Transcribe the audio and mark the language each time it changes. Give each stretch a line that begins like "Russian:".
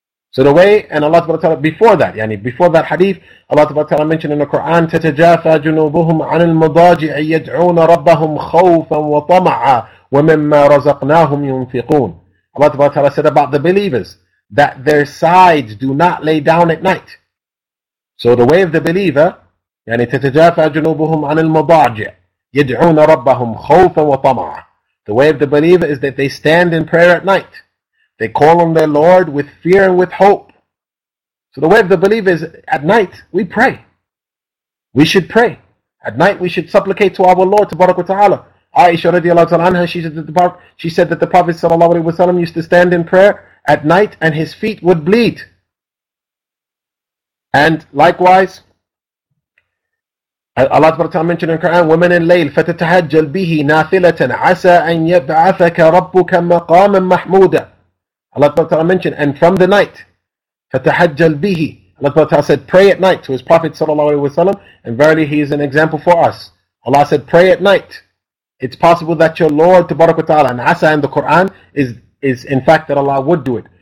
English: So the way, and Allah subhanahu wa ta'ala, before that hadith, Allah subhanahu wa ta'ala mentioned in the Quran,
Arabic: تَتَجَافَى جُنُوبُهُمْ عَنِ الْمَضَاجِعِ يَدْعُونَ رَبَّهُمْ خَوْفًا وَطَمَعًا وَمِمَّا رَزَقْنَاهُمْ يُنْفِقُونَ.
English: Allah subhanahu wa ta'ala said about the believers that their sides do not lay down at night. So the way of the believer,
Arabic: يعني تَتَجَافَى جُنُوبُهُمْ عَنِ الْمَضَاجِعِ يَدْعُونَ رَبَّهُمْ خَوْفًا وَطَمَعًا.
English: The way of the believer is that they stand in prayer at night. They call on their Lord with fear and with hope. So the way of the believer is, at night, we pray. We should pray. At night, we should supplicate to our Lord, tabarak wa ta'ala. Aisha radiallahu ta'ala anha, she said that the Prophet sallallahu alayhi wa sallam used to stand in prayer at night and his feet would bleed. And likewise, Allah subhanahu wa ta'ala mentioned in Quran,
Arabic: وَمَنِ اللَّيْلِ فَتَتَهَجَّلْ بِهِ نَافِلَةً عَسَىٰ أَنْ يَبْعَثَكَ رَبُّكَ مَقَامًا مَحْمُودًا.
English: Allah subhanahu wa ta'ala mentioned, and from the night,
Arabic: فَتَحَجَّلْ بِهِ.
English: Allah subhanahu wa ta'ala said, pray at night to his Prophet sallallahu alayhi wa sallam, and verily he is an example for us. Allah said, pray at night. It's possible that your Lord, tabarak wa ta'ala, and asa in the Quran, is in fact that Allah would do it.